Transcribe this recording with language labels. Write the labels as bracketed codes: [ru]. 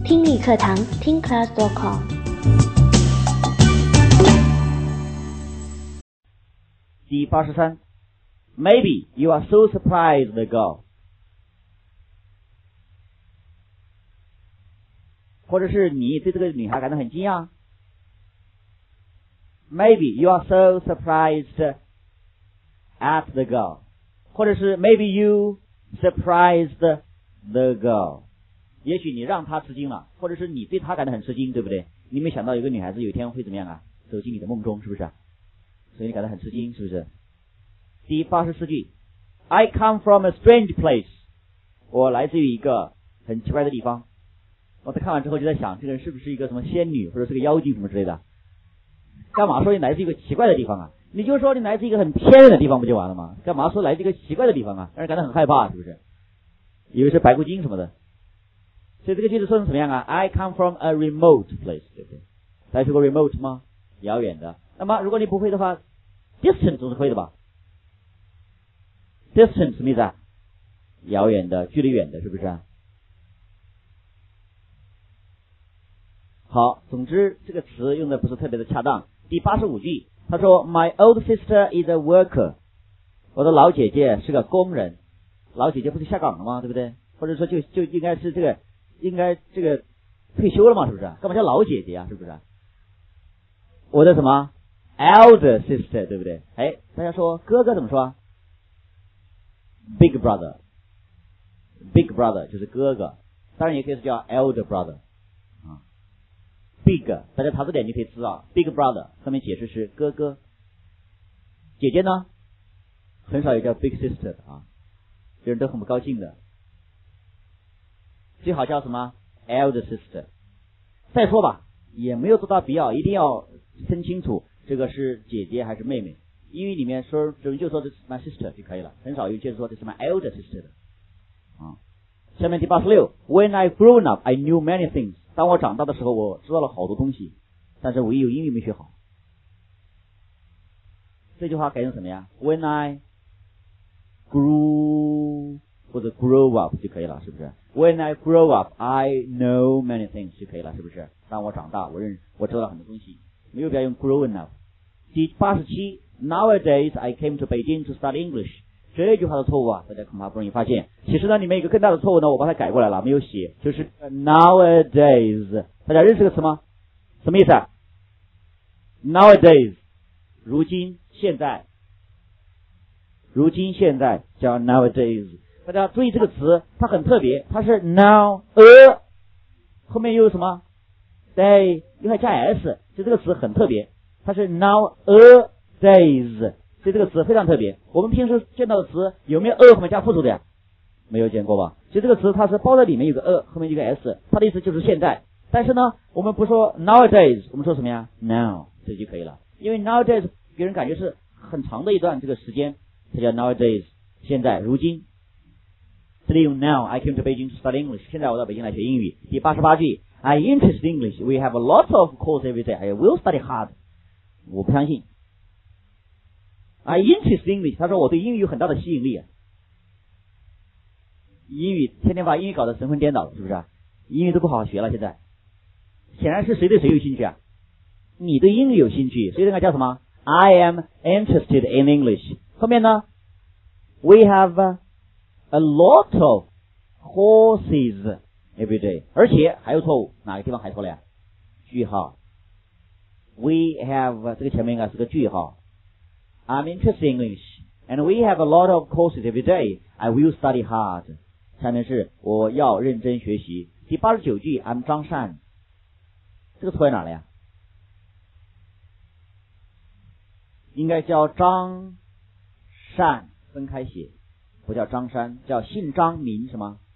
[zh] 理课堂听 class.com。 [en] 第83 Maybe you are so surprised, girl. [zh] 或者是你对这个女孩感到很惊讶。 [en] Maybe you are so surprised at the girl. [zh] 或者是 [en] Maybe you surprised the girl. [zh] 也许你让她吃惊了，或者是你对她感到很吃惊，对不对？你没想到一个女孩子有一天会怎么样啊？走进你的梦中，是不是？所以你感到很吃惊，是不是？ [en] 第84句 I come from a strange place. [zh] 我来自于一个很奇怪的地方。我在看完之后就在想，这个人是不是一个什么仙女，或者是个妖精什么之类的。干嘛说你来自一个奇怪的地方啊？你就说你来自一个很偏远的地方不就完了吗？干嘛说来自一个奇怪的地方啊？让人感到很害怕，是不是？以为是白骨精什么的。所以这个句子说成什么样啊？ [en] I come from a remote place， [zh] 对不对？大家说过 remote 吗？遥远的。那么如果你不会的话， distant 总是会的吧？ distant 什么意思啊？遥远的，距离远的，是不是啊？好，总之这个词用的不是特别的恰当。第85句他说 [en] My old sister is a worker， [zh] 我的老姐姐是个工人。老姐姐不是下岗了吗？对不对？或者说就应该是这个应该这个退休了吗？是不是？干嘛叫老姐姐啊？是不是？我的什么 elder sister， 对不对？哎，大家说哥哥怎么说？ big brother， big brother 就是哥哥，当然也可以是叫 elder brother。 Big， 大家查字典就可以知道 ，Big brother 上面解释是哥哥，姐姐呢，很少有叫 Big sister 的啊，别人都很不高兴的，最好叫什么 Elder sister。再说吧，也没有多大必要，一定要分清楚这个是姐姐还是妹妹，英语里面说就说 [en] This is my sister [zh] 就可以了，很少有接着说 [en] This is my elder sister [zh] 的啊。下面第86 [en] ，When I grew up, I knew many things。 [zh] 当我长大的时候，我知道了好多东西，但是唯有英语没学好。这句话改成什么呀 [en] ？When I grew 或者 grow up [zh] 就可以了，是不是 [en] ？When I grow up, I know many things 就可以了，是不是？ [zh] 当我长大，我知道了很多东西，没有必要用 growing up。 [en] 第87 ，Nowadays I came to Beijing to study English。 [zh] 这句话的错误啊，大家恐怕不容易发现。其实呢，里面一个更大的错误呢，我把它改过来了，没有写，就是 nowadays。大家认识个词吗？什么意思啊 ？Nowadays， 如今现在，如今现在叫 nowadays。大家注意这个词，它很特别，它是 now a， 后面又有什么 day， 又要加 s， 就这个词很特别，它是 now a days。所以这个词非常特别，我们平时见到的词有没有 a 后面加复数的呀？没有见过吧。其实这个词它是包在里面有个 a 后面一个 s， 它的意思就是现在，但是呢我们不说 nowadays， 我们说什么呀？ now， 这就可以了。因为 nowadays 给人感觉是很长的一段这个时间，它叫 nowadays， 现在如今。这里用 [en] now， I came to Beijing to study English， [zh] 现在我到北京来学英语。 [en] 第88句 I interest English， we have a lot of course every day， I will study hard。 [zh] 我不相信 [en] I interest English， [zh] 他说我对英语有很大的吸引力。英语天天把英语搞得神魂颠倒了，是不是？英语都不好好学了，现在显然是谁对谁有兴趣啊？你对英语有兴趣，所以应该叫什么 ？ [en] I am interested in English。后面呢 ？We have a lot of courses every day。 [zh] 而且还有错误，哪个地方还错了呀？句号。 We have 这个前面应该是个句号。 [en] I'm interested in English, and we have a lot of courses every day. I will study hard. [zh] 下面是我要认真学习。第89句 I'm 张善，这个错在哪了呀？应该叫张善，分开写，不叫张山，叫姓张名什么？